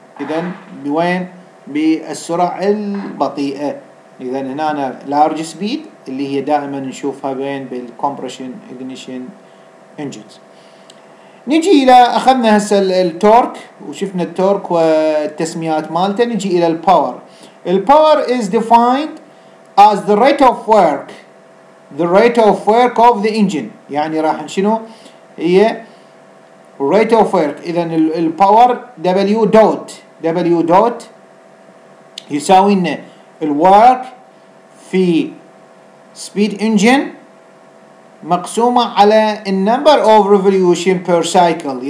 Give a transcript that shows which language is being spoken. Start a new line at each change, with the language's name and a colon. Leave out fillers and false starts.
Arabic: إذن بوين؟ بالسرعة البطيئة. إذن هنا أنا
English: large speed
Arabic: اللي هي دائما نشوفها بين بال
English: compression ignition engines.
Arabic: نجي إلى أخذنا هسه التورك وشفنا التورك والتسميات مالته. نجي إلى الباور.
English: الباور is defined as the rate of work, the rate of work of the engine.
Arabic: يعني راح شنو هي
English: rate of work.
Arabic: إذن الباور W dot يساوي إنه الwork في
English: speed engine
Arabic: مقسومة على
English: number of revolution per cycle.